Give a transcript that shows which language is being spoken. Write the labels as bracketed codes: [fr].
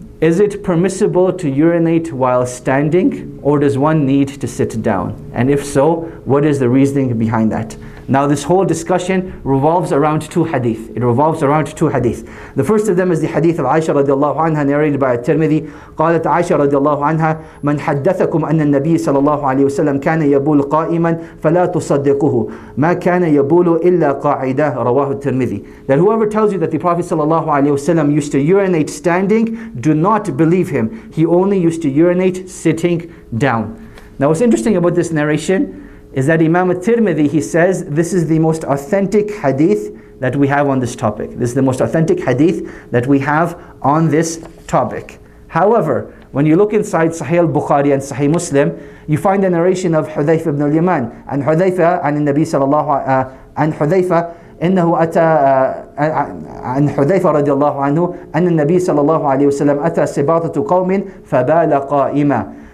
[en] Is it permissible to urinate while standing, or does one need to sit down? And if so, what is the reasoning behind that? Now this whole discussion revolves around two hadith. It revolves around two hadith. The first of them is the hadith of Aisha radiallahu anha, narrated by At-Tirmidhi. [ar] قالت عائشة رضي الله عنها من حدثكم أن النبي صلى الله عليه وسلم كان يبول قائما فلا تصدقه ما كان يبول إلا قاعدة رواه الترمذي. [en] That whoever tells you that the Prophet صلى الله عليه وسلم used to urinate standing, do not believe him. He only used to urinate sitting down. Now what's interesting about this narration is that Imam At-Tirmidhi, he says, this is the most authentic hadith that we have on this topic. This is the most authentic hadith that we have on this topic. However, when you look inside Sahih al-Bukhari and Sahih Muslim, you find a narration of Hudhayfa ibn al-Yaman. And Hudhayfa, and Nabi sallallahu and Hudhayfa, [ar] إنه أتى عن حذيفة رضي الله عنه أن النبي صلى الله عليه وسلم أتى سباطة قوم فبال قائما.